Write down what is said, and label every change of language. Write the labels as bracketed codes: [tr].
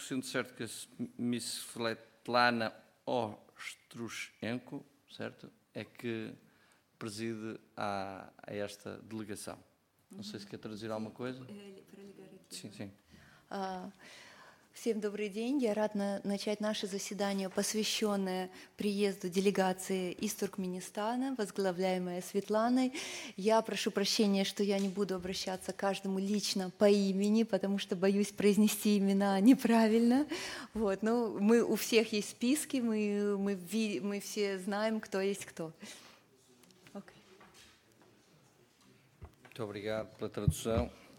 [pt] Sendo certo que a Miss Svetlana Ostrushenko, certo, é que preside a esta delegação. Não sei se quer traduzir alguma coisa. Sim, sim. [ru] Всем добрый день. Я рада начать наше заседание, посвященное приезду делегации из Туркменистана, возглавляемой Светланой. Я прошу прощения, что я не буду обращаться к каждому лично по имени, потому что боюсь произнести имена неправильно. Вот. Но мы, у всех есть списки, мы все знаем, кто есть кто. Okay. [pt] Muito obrigado pela tradução.